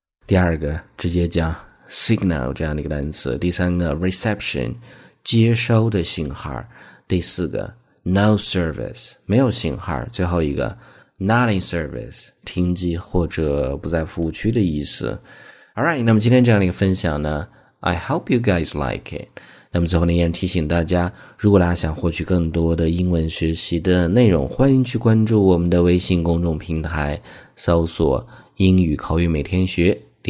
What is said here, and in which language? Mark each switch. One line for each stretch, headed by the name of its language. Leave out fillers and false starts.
Chinese: 第二个直接讲 signal 这样的一个单词。第三个 reception 接收的信号。第四个
English: no service
Chinese: 没有信号。最后一个
English: not in service
Chinese: 停机或者不在服务区的意思。 Alright， 那么今天这样的一个分享呢 ，
English: I hope you guys like it。
Chinese: 那么最后呢，依然提醒大家，如果大家想获取更多的英文学习的内容，欢迎去关注我们的微信公众平台，搜索“英语口语每天学”，点击关注之后呢，就可以。
English: All right, I'll talk to you guys